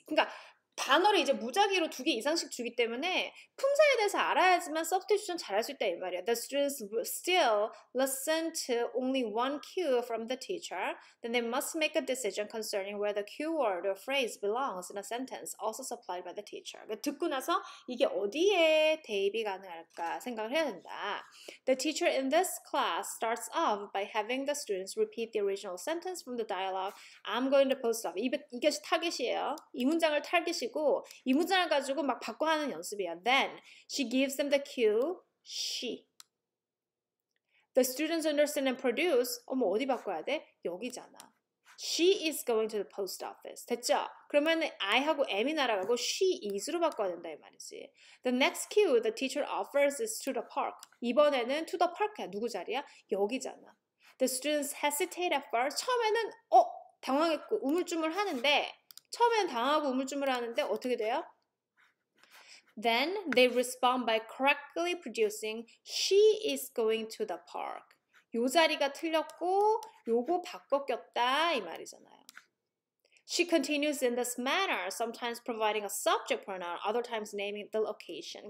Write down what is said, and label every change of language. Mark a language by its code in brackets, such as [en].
[ko] 그러니까 단어를 이제 무작위로 두개 이상씩 주기 때문에 품사에 대해서 알아야지만 substitution 잘할 수 있다 이 말이야. [en] The students will still listen to only one cue from the teacher. Then they must make a decision concerning where the cue word or phrase belongs in a sentence also supplied by the teacher. [ko] 듣고 나서 이게 어디에 대입이 가능할까 생각을 해야 된다. [en] The teacher in this class starts off by having the students repeat the original sentence from the dialogue. I'm going to post off. [ko] 이것이 타겟이에요. 이 문장을 타겟이 이 문장을 가지고 막 바꿔 하는 연습이야. [en] Then she gives them the cue. She. The students understand and produce. [ko] 어머, 어디 바꿔야 돼? 여기잖아. [en] She is going to the post office. [ko] 됐죠? 그러면 I 하고 am이 날아가고 she is로 바꿔야 된다 이 말이지. [en] The next cue the teacher offers is to the park. [ko] 이번에는 to the park야. 누구 자리야? 여기잖아. [en] The students hesitate at first. [ko] 처음에는 당황했고 우물쭈물하는데. 처음엔 당하고 우물쭈물하는데 어떻게 돼요? [en] Then they respond by correctly producing she is going to the park. [ko] 요 자리가 틀렸고 요거 바꿔 꼈다 이 말이잖아요. [en] She continues in this manner, sometimes providing a subject pronoun, other times naming the location.